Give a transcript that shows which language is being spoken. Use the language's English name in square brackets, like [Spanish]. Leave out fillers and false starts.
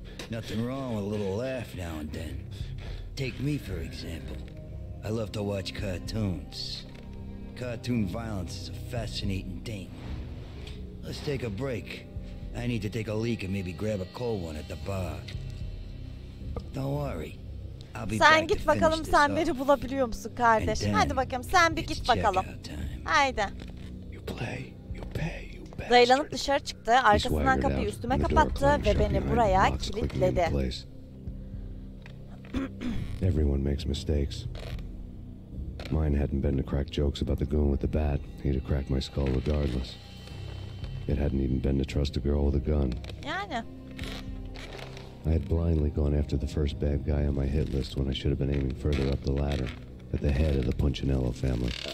[English] Nothing wrong with a little laugh now and then. Take me for example. I love to watch cartoons. Cartoon violence is a fascinating thing. Let's take a break. I need to take a leak and maybe grab a cold one at the bar. Don't worry. [Turkish] Sen git bakalım, sen beni bulabiliyor musun kardeşim? Hadi bakalım, sen bir git bakalım. Haydi. [English] play, you pay, you bastard. [Turkish] Dayılanıp dışarı çıktı, arkasından kapıyı üstüme kapattı ve beni buraya kilitledi. [English] Everyone makes mistakes. Mine hadn't been to crack jokes about the goon with the bat. He'd have cracked my skull regardless. It hadn't even been to trust a girl with a gun. [Turkish] Yani. [English] I had blindly gone after the first bad guy on my hit list when I should have been aiming further up the ladder, at the head of the Punchinello family.